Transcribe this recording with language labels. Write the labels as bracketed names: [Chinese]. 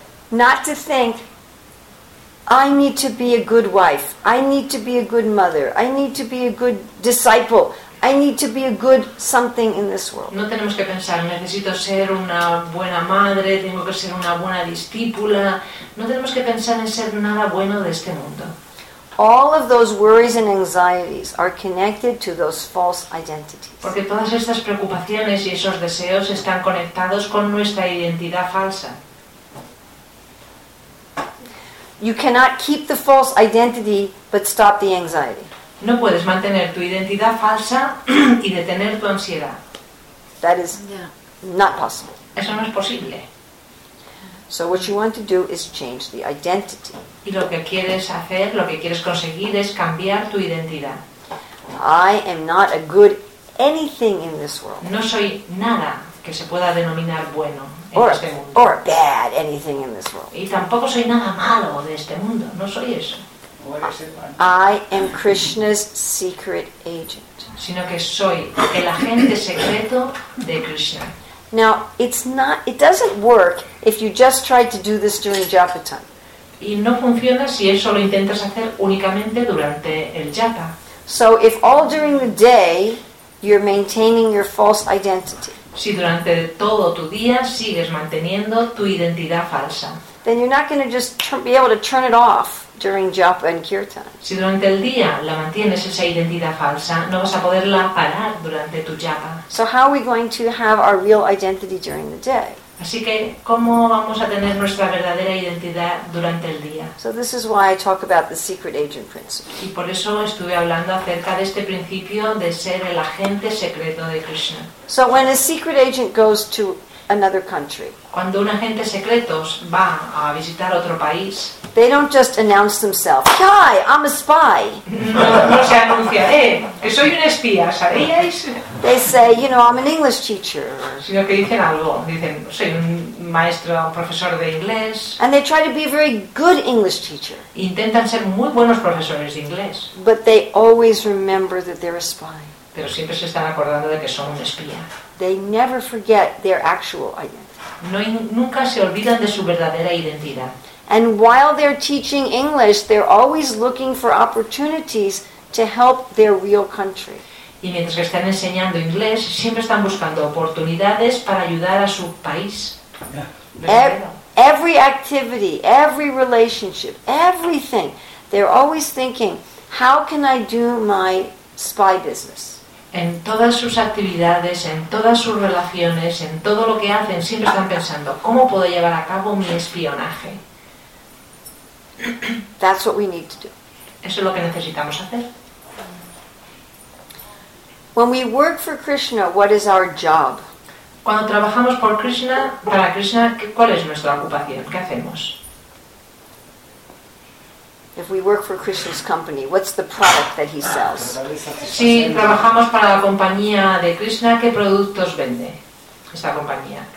[English] Not to think, I need to be a good wife, I need to be a good mother, I need to be a good disciple, I need to be a good something in this world. [Spanish] No tenemos que pensar, necesito ser una buena madre, tengo que ser una buena discípula. No tenemos que pensar en ser nada bueno de este mundo. [English] All of those worries and anxieties are connected to those false identities. [Spanish] Porque todas estas preocupaciones y esos deseos están conectados con nuestra identidad falsa. [English] You cannot keep the false identity but stop the anxiety. [Spanish] No puedes mantener tu identidad falsa y detener tu ansiedad. [English] That is not possible. [Spanish] Eso no es posible. [English] So what you want to do is change the identity. [Spanish] Y lo que quieres hacer, lo que quieres conseguir es cambiar tu identidad. [English] I am not a good anything in this world. [Spanish] No soy nada que se pueda denominar bueno en este mundo. [English] Or bad anything in this world. [Spanish] Y tampoco soy nada malo de este mundo. No soy eso. [English] I am Krishna's secret agent. [Spanish] Sino que soy el agente secreto de Krishna. [English] Now, it doesn't work if you just try to do this during japa time. [Spanish] Y no funciona si eso lo intentas hacer únicamente durante el japa. [English] So if all during the day you're maintaining your false identity. [Spanish] Si durante todo tu día sigues manteniendo tu identidad falsa. [English] Then you're not going to just be able to turn it off during japa and kirtan. [Spanish] Si durante el día la mantienes esa identidad falsa, no vas a poderla parar durante tu japa. [English] So how are we going to have our real identity during the day? [Spanish] Así que, ¿cómo vamos a tener nuestra verdadera identidad durante el día? [English] So this is why I talk about the secret agent principle. [Spanish] Y por eso estuve hablando acerca de este principio de ser el agente secreto de Krishna. [English] So when a secret agent goes to another country. [Spanish] Cuando un agente secreto va a visitar otro país, [English] they don't just announce themselves. Hi, I'm a spy. [Spanish] No se anuncia, que soy un espía, ¿sabíais? [English] They say, you know, I'm an English teacher. [Spanish] Sino que dicen algo, dicen, soy un maestro, un profesor de inglés. [English] And they try to be a very good English teacher. [Spanish] Intentan ser muy buenos profesores de inglés. [English] But they always remember that they're a spy. [Spanish] Pero siempre se están acordando de que son un espía. [English] They never forget their actual identity. [Spanish] Nunca se olvidan de su verdadera identidad. [English] And while they're teaching English, they're always looking for opportunities to help their real country. [Spanish] Y mientras que están enseñando inglés, siempre están buscando oportunidades para ayudar a su país. [English] Every activity, every relationship, everything, they're always thinking, how can I do my spy business? [Spanish] En todas sus actividades, en todas sus relaciones, en todo lo que hacen, siempre están pensando, ¿cómo puedo llevar a cabo mi espionaje? [English] That's what we need to do. [Spanish] Eso es lo que necesitamos hacer. [English] When we work for Krishna, what is our job? [Spanish] Cuando trabajamos por Krishna, para Krishna, ¿cuál es nuestra ocupación? ¿Qué hacemos? [English] If we work for Krishna's company, what's the product that he sells? [Spanish] Si trabajamos para la compañía de Krishna, ¿qué productos vende esta compañía?